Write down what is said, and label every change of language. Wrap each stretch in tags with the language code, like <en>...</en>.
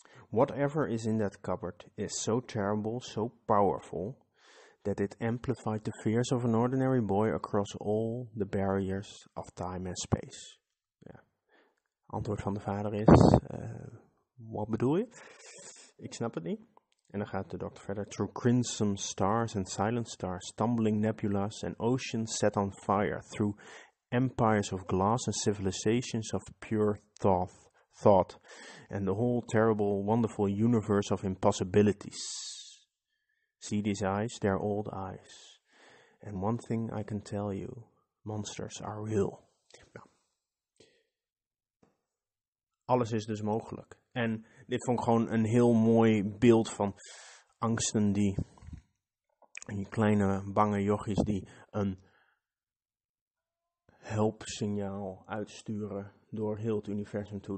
<en>Whatever is in that cupboard is so terrible, so powerful, that it amplified the fears of an ordinary boy across all the barriers of time and space.</en> <nl>Antwoord van de vader is, wat bedoel je? Ik snap het niet. En dan gaat de dokter verder.</nl> <en>Through crimson stars and silent stars, stumbling nebulas and oceans set on fire. Through empires of glass and civilizations of pure thought. And the whole terrible, wonderful universe of impossibilities. See these eyes? They're old eyes. And one thing I can tell you, monsters are real.</en> <nl>Nou. Alles is dus mogelijk. En dit vond ik gewoon een heel mooi beeld van angsten die, die kleine bange jochies die een helpsignaal uitsturen door heel het universum toe.</nl>